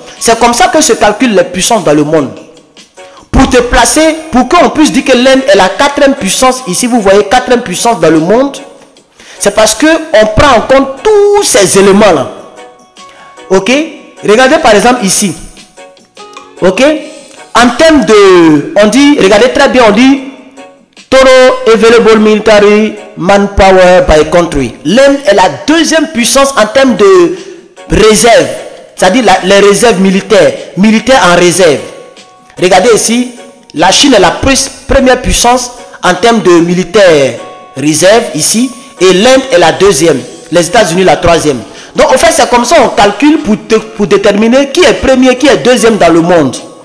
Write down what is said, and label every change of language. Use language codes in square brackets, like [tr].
[fr] C'est comme ça que se calculent les puissances dans le monde. Pour te placer, pour qu'on puisse dire que l'Inde est la 4e puissance, ici vous voyez 4e puissance dans le monde, c'est parce qu'on prend en compte tous ces éléments-là. Ok? Regardez par exemple ici. Ok? En termes de... regardez très bien, on dit... [en] Total available military manpower by country. [fr] L'Inde est la 2e puissance en termes de réserve. C'est-à-dire les réserves militaires. Militaires en réserve. Regardez ici. La Chine est la première puissance en termes de militaires réserve ici. Et l'Inde est la 2e. Les États-Unis la 3e. Donc en fait, c'est comme ça qu'on calcule pour déterminer qui est premier, qui est deuxième dans le monde.